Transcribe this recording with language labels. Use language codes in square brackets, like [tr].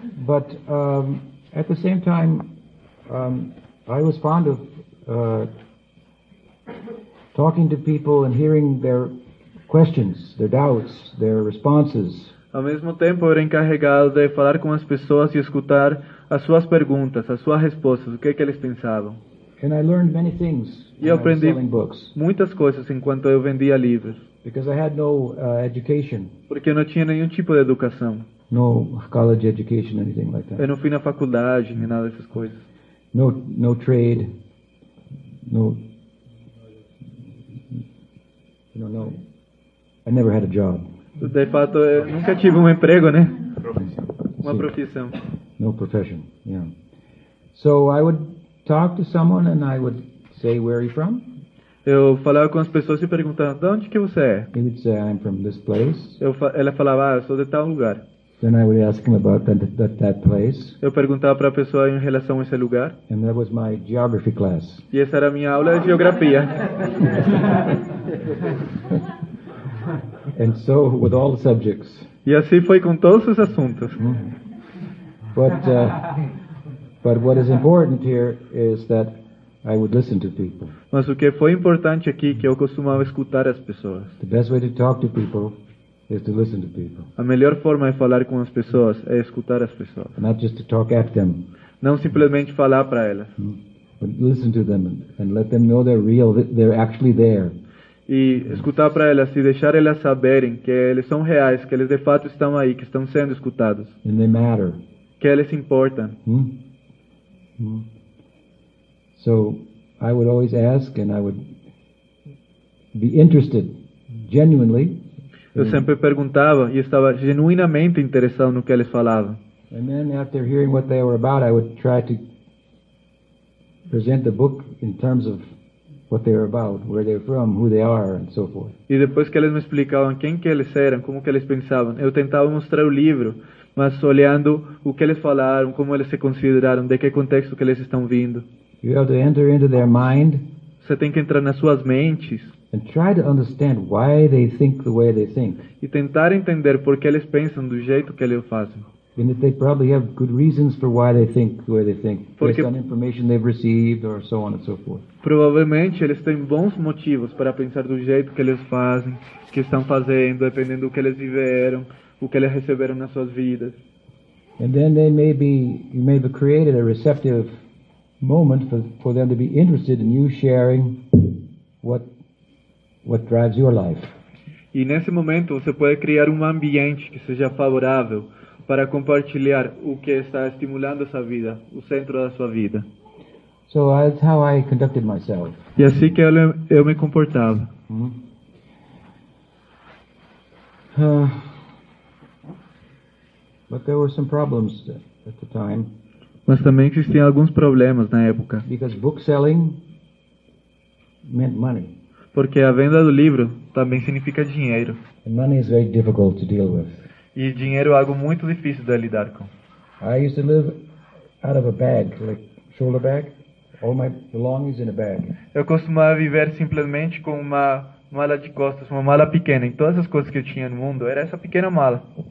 [en] But, at the same time, I was fond of... talking to people and hearing their questions, their doubts, their responses. [pt] Ao mesmo tempo, eu era encarregado de falar com as pessoas e escutar as suas perguntas, as suas respostas, o que é que eles pensavam. [en] And I learned many things. [pt] E eu aprendi muitas coisas enquanto eu vendia livros. [en] Because I had no education. [pt] Porque eu não tinha nenhum tipo de educação. [en] No college education, anything like that. [pt] Eu não fui na faculdade nem nada dessas coisas. [en] No trade. No I never had a job. [pt] De fato, eu nunca tive emprego, né? Uma profissão. [en] No profession, yeah. So I would talk to someone and I would say, where are you from? [pt] Eu falava com as pessoas e perguntava, de onde que você é? [en] He would say, I'm from this place. [pt] Ela falava, ah, eu sou de tal lugar. [en] Then I would ask him about that place. [pt] Eu perguntava para a pessoa em relação a esse lugar. [en] And that was my geography class. [pt] E essa era a minha aula de geografia. [en] And so with all the subjects. [pt] E assim foi com todos os assuntos. Mm-hmm. [en] But what is important here is that I would listen to people. [pt] Mas o que foi importante aqui que eu costumava escutar as pessoas. [en] The best way to talk to people is to listen to people. [pt] A melhor forma de falar com as pessoas é escutar as pessoas. [en] Not just to talk at them. [pt] Não simplesmente falar para elas. Mm-hmm. [en] But listen to them and let them know they're real, they're actually there. [pt] E escutar para elas e deixar elas saberem que eles são reais, que eles de fato estão aí, que estão sendo escutados. [en] And they matter. [pt] Que eles importam. Hmm? Hmm. [en] So, I would always ask and I would be interested, genuinely. [pt] Eu sempre perguntava e estava genuinamente interessado no que eles falavam. [en] And then after hearing what they were about, I would try to present the book in terms of what they're about, where they're from, who they are, and so forth. [pt] E depois que eles me explicavam quem que eles eram, como que eles pensavam, eu tentava mostrar o livro, mas olhando o que eles falaram, como eles se consideraram, de que contexto que eles estão vindo. [en] You have to enter into their mind. [pt] Você tem que entrar nas suas mentes. [en] And try to understand why they think the way they think. [pt] E tentar entender por que eles pensam do jeito que eles fazem. [en] And they probably have good reasons for why they think the way they think, based on information they've received or so on and so forth. [pt] Provavelmente eles têm bons motivos para pensar do jeito que eles fazem, que estão fazendo, dependendo do que eles viveram, o que eles receberam nas suas vidas. [en] And then they may be created a receptive moment for them to be interested in you sharing what drives your life. [pt] E nesse momento você pode criar ambiente que seja favorável para compartilhar o que está estimulando essa vida, o centro da sua vida. [en] So that's how I conducted myself. [pt] E assim que eu me comportava. Mm-hmm. [en] But there were some problems at the time. [pt] Mas também existiam alguns problemas na época. [en] Because book selling meant money. [pt] Porque a venda do livro também significa dinheiro. [en] And money is very difficult to deal with. [pt] E dinheiro é algo muito difícil de lidar com. [en] I used to live out of a bag, like shoulder bag, all my belongings in a bag. [pt] Eu costumava viver simplesmente com uma mala de costas, uma mala pequena, e todas as coisas que eu tinha no mundo era essa pequena mala.